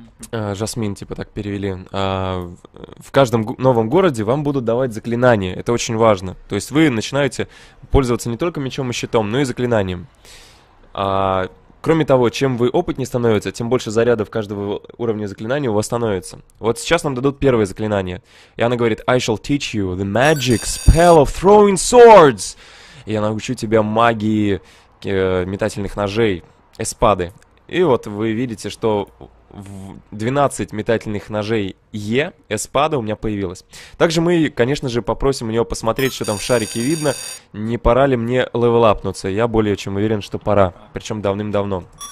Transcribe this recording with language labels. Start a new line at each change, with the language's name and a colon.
Russian: Жасмин, типа так перевели. В каждом новом городе вам будут давать заклинания. Это очень важно. То есть вы начинаете пользоваться не только мечом и щитом, но и заклинанием. Кроме того, чем вы опытнее становится, тем больше зарядов каждого уровня заклинания у вас становится. Вот сейчас нам дадут первое заклинание. И она говорит:
English: I shall teach you the magic spell of throwing swords.
Russian: И я научу тебя магии метательных ножей, эспады. И вот вы видите, что 12 метательных ножей Е, эспада у меня появилась. Также мы, конечно же, попросим у нее посмотреть, что там в шарике видно. Не пора ли мне левелапнуться? Я более чем уверен, что пора. Причем давным-давно.